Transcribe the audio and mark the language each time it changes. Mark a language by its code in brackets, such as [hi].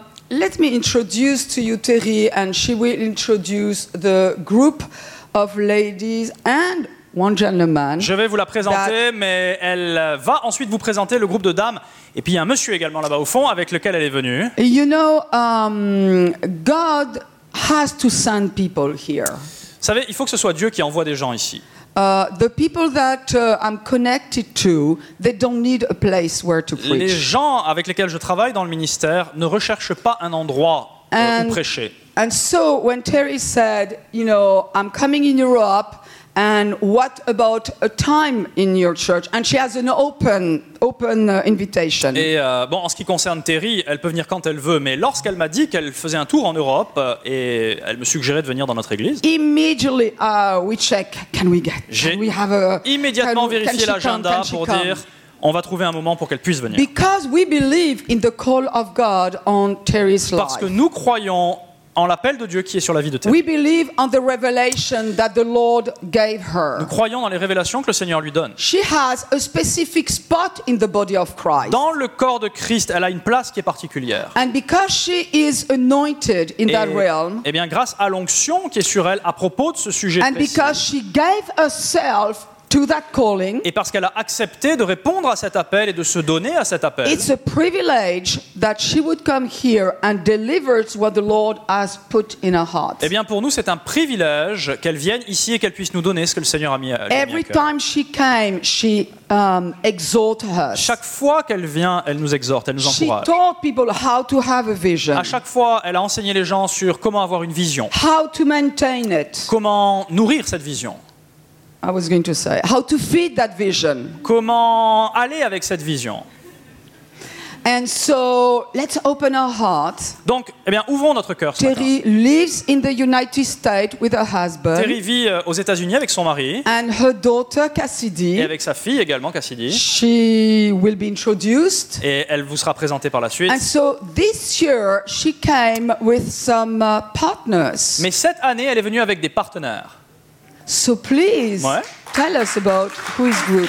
[en] Let me introduce to you Terry, and she will introduce the group of ladies and one gentleman. [fr] Je vais vous la présenter, mais elle va ensuite vous présenter le groupe de dames. Et puis il y a un monsieur également là-bas au fond avec lequel elle est venue. [en] You know, God has to send people here. [fr] Vous savez, il faut que ce soit Dieu qui envoie des gens ici. [en] The people that I'm connected to, they don't need a place where to preach. [fr] Les gens avec lesquels je travaille dans le ministère ne recherchent pas un endroit où prêcher. [en] And so when Terry said, you know, I'm coming in Europe, and what about a time in your church? And she has an open invitation. [fr] Et bon, en ce qui concerne Terry, elle peut venir quand elle veut, mais lorsqu'elle m'a dit qu'elle faisait un tour en Europe et elle me suggérait de venir dans notre église, [en] immediately we check, can we get? [fr] J'ai [en] we have a, [fr] immédiatement vérifié l'agenda pour dire on va trouver un moment pour qu'elle puisse venir. [en] Because we believe in the call of God on Terry's life. [fr] Parce que nous croyons en l'appel de Dieu qui est sur la vie de Terry. [en] We believe in the revelation that the Lord gave her. [fr] Nous croyons dans les révélations que le Seigneur lui donne. [en] She has a specific spot in the body of Christ. [fr] Dans le corps de Christ, elle a une place qui est particulière. [en] And because she is anointed in that realm. [fr] Et bien grâce à l'onction qui est sur elle à propos de ce sujet [en] précis. And because she gave herself to that calling, [fr] et parce qu'elle a accepté de répondre à cet appel et de se donner à cet appel. [en] It's a privilege that she would come here and deliver what the Lord has put in her heart. [fr] Et bien pour nous c'est un privilège qu'elle vienne ici et qu'elle puisse nous donner ce que le Seigneur a mis à cœur. [en] Every time she came, she exhorted us. [fr] Chaque fois qu'elle vient, elle nous exhorte, elle nous encourage. [en] She taught people how to have a vision. [fr] À chaque fois, elle a enseigné les gens sur comment avoir une vision. [en] How to maintain it. [fr] Comment nourrir cette vision. [en] I was going to say how to feed that vision. [fr] Comment aller avec cette vision? [en] And so let's open our hearts. [fr] Donc, eh bien, ouvrons notre cœur. [en] Terry lives in the United States with her husband. [fr] Terry vit aux États-Unis avec son mari. [en] And her daughter Cassidy. [fr] Et avec sa fille également Cassidy. [en] She will be introduced. [fr] Et elle vous sera présentée par la suite. [en] And so this year she came with some partners. [fr] Mais cette année, elle est venue avec des partenaires. [en] So please, ouais, tell us about who's group.